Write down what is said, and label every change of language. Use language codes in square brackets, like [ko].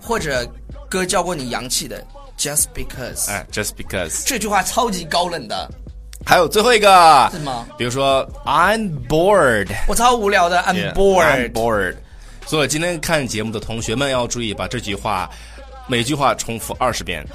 [zh] 或者哥教过你洋气的 [en] Just because、 Just because， [zh] 这句话超级高冷的。还有最后一个是吗？比如说 [en] I'm bored， [zh] 我超无聊的。 [en] I'm bored。 [zh] 所以今天看节目的同学们要注意，把这句话每句话重复二十遍。